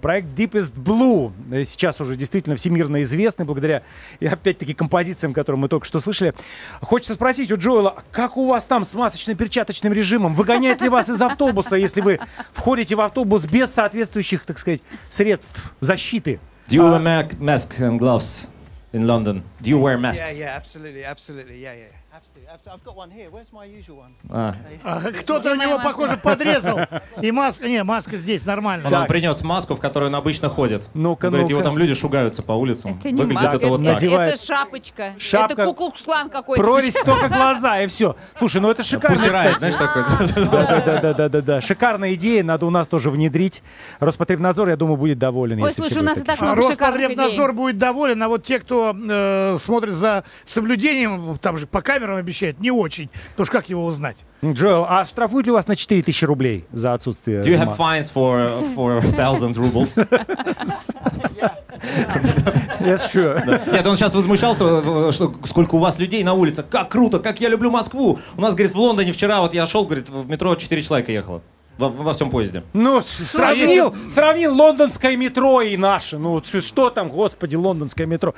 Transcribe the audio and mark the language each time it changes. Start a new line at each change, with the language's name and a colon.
Russian: Проект Deepest Blue сейчас уже действительно всемирно известный благодаря, опять-таки, композициям, которые мы только что слышали. Хочется спросить у Джоэла, как у вас там с масочно-перчаточным режимом? Выгоняет ли вас из автобуса, если вы входите в автобус без соответствующих, так сказать, средств защиты?
English: Do you wear masks and gloves in London? Do you wear masks? Yeah, yeah, absolutely, absolutely, yeah, yeah. I've got one here. Where's my usual one?
Russian: Кто-то у него, похоже, подрезал. И маска. Не, маска здесь нормально. Он принес маску, в которую он обычно ходит. Ну-ка, говорит, его там люди шугаются по улицам. Это выглядит маска, это вот надевает. Это шапочка. Шапка. Это куклукслан какой-то. Прорезь только глаза, и все. Слушай, ну это шикарно. Пусирает, знаешь, такое. Да. Шикарная идея, надо у нас тоже внедрить. Роспотребнадзор, я думаю, будет доволен. Ой, слушай, у нас и так много шикарных идей. Роспотребнадзор будет доволен, а вот те, кто смотрит за соблюдением, там же по камерам обещает, не очень. Потому что как его узнать? Джоэл, а штрафуют ли вас на 4000 рублей за отсутствие?
English: Do you have fines for 1000 rubles? Yes, sure.
Russian: Нет, он сейчас возмущался, что сколько у вас людей на улице. Как круто, как я люблю Москву. У нас, говорит, в Лондоне вчера вот я шел, говорит, в метро 4 человека ехало. Во всем поезде. Ну, сравнил лондонское метро и наше. Ну, что там, господи, лондонское метро.